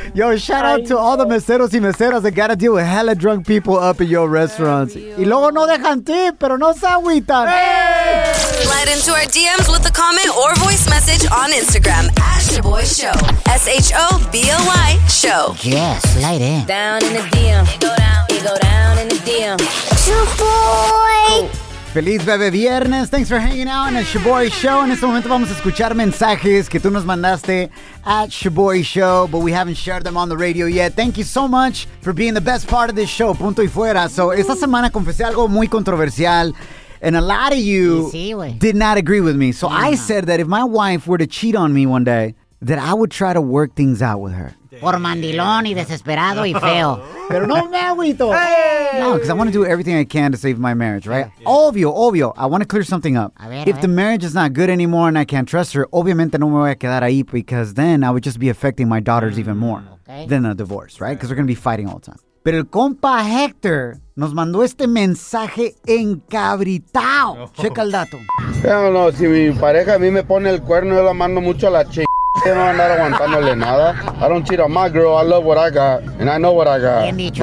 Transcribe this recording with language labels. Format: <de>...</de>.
<en>Yo, shout out to all the meseros y meseras that gotta deal with hella drunk people up in your restaurants.</en> <es>Y luego no dejan tip, pero no se agüitan.</es> <en>Slide into our DMs with a comment or voice message on Instagram. Shaboy Show. S-H-O-B-O-Y Show. Yes, slide in. Down in the DM. It go down in the DM. Shaboy.</en> <es>Feliz bebé viernes.</es> <en>Thanks for hanging out. And it's Shaboy Show.</en> <es>En este momento vamos a escuchar mensajes que tú nos mandaste</es> <en>at Shaboy Show, but we haven't shared them on the radio yet. Thank you so much for being the best part of this show.</en> <es>Punto y fuera.</es> <en>So</en> <es>esta semana confesé algo muy controversial.</es> <en>And a lot of you did not agree with me. So yeah. I said that if my wife were to cheat on me one day, that I would try to work things out with her.</en> <es>Por mandilón y desesperado y feo. Pero no me agüito.</es> <en>No, because I want to do everything I can to save my marriage, right? Yeah. Obvio, I want to clear something up. If the marriage is not good anymore and I can't trust her,</en> <es>obviamente no me voy a quedar ahí</es> <en>because then I would just be affecting my daughters even more than a divorce, right? Because we're going to be fighting all the time.</en> <es>Pero el compa Hector nos mandó este mensaje encabritado. Checa el dato. Pero no, si mi pareja a mí me pone el cuerno, yo la mando mucho a la chica. No va a andar aguantándole nada.</es> <en>I don't cheat on my girl. I love what I got.</en> <es>And I know what I got. Bien dicho.</es>